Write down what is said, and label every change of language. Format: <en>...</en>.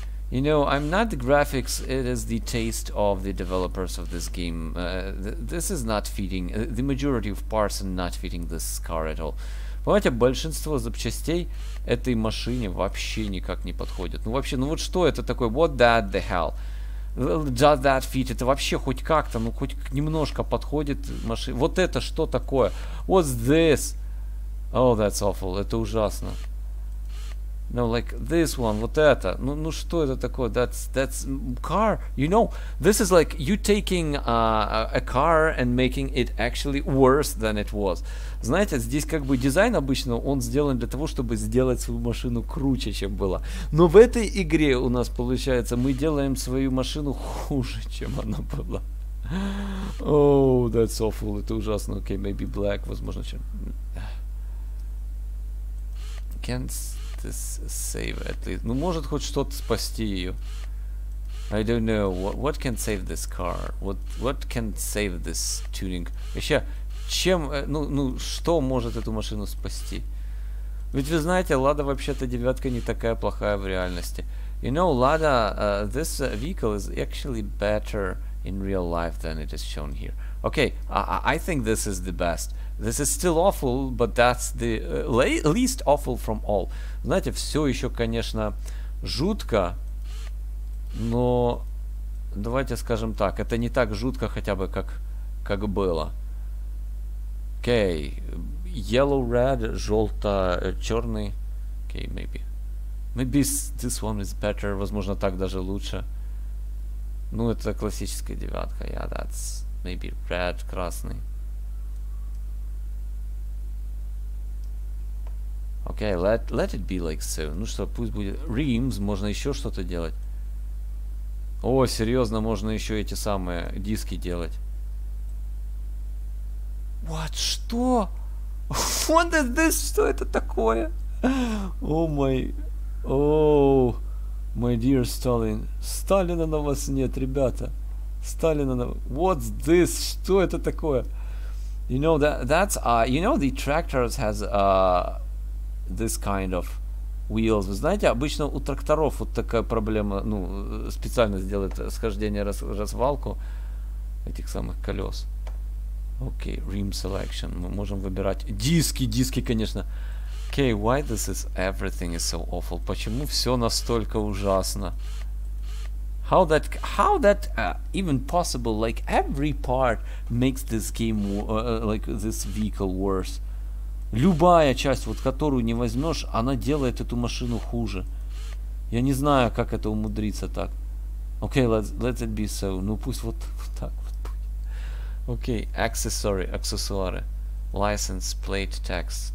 <en>You know, I'm not the graphics, it is the taste of the developers of this game. This is not fitting, the majority of parts are not fitting this car at all.</en> <ru>Понимаете, большинство запчастей этой машине вообще никак не подходят. Ну вообще, ну вот что это такое?</ru> <en>What that the hell? Does that fit?</en> <ru>Это вообще хоть как-то, ну хоть немножко подходит машине. Вот это что такое?</ru> <en>What's this? Oh, that's awful.</en> <ru>Это ужасно.</ru> <en>No, like this one.</en> <ru>Вот это. Ну, ну что это такое?</ru> <en>That's car. You know, this is like you taking a car and making it actually worse than it was.</en> <ru>Знаете, здесь как бы дизайн обычно он сделан для того, чтобы сделать свою машину круче, чем была. Но в этой игре у нас получается, мы делаем свою машину хуже, чем она была.</ru> <en>Oh, that's awful.</en> <ru>Это ужасно.</ru> <en>Okay, maybe black.</en> <ru>Возможно, чем...</ru> <en>Can this save at least?</en> <ru>Ну, может хоть что-то спасти ее.</ru> <en>I don't know. What can save this car? What can save this tuning?</en> <ru>Еще, чем... Ну, что может эту машину спасти? Ведь вы знаете, Lada вообще-то девятка не такая плохая в реальности.</ru> <en>You know, Lada, this vehicle is actually better in real life than it is shown here. Okay, I think this is the best. This is still awful, but that's the least awful from all.</en> <ru>Знаете, все еще, конечно, жутко, но давайте скажем так, это не так жутко хотя бы, как было.</ru> <en>Okay, yellow, red,</en> <ru>желто, черный.</ru> <en>Okay, maybe. Maybe this one is better,</en> <ru>возможно, так даже лучше. Ну, это классическая девятка,</ru> <en>yeah, that's maybe red,</en> <ru>красный.</ru> <en>Okay, let it be like so.</en> <ru>Ну что, пусть будет... Rims, можно еще что-то делать. О, серьезно, можно еще эти самые диски делать.</ru> <en>What?</en> <ru>Что?</ru> <en>What is this?</en> <ru>Что это такое? О, мой...</ru> <en>О, my dear Stalin.</en> <ru>Сталина на вас нет, ребята. Сталина на...</ru> <en>What's this?</en> <ru>Что это такое?</ru> <en>You know you know the tractors has this kind of wheels.</en> <ru>Вы знаете, обычно у тракторов вот такая проблема, ну, специально сделать схождение, развалку этих самых колес.</ru> <en>Окей, rim selection.</en> <ru>Мы можем выбирать диски, конечно.</ru> <en>Окей, why this is everything is so awful?</en> <ru>Почему все настолько ужасно?</ru> <en>How that even possible? Like every part makes this game like this vehicle worse.</en> <ru>Любая часть, вот которую не возьмешь, она делает эту машину хуже. Я не знаю, как это умудриться так.</ru> <en>Окей, let it be so.</en> <ru>Ну пусть вот так вот будет.</ru> <en>Окей, аксессуары. License plate text.</en>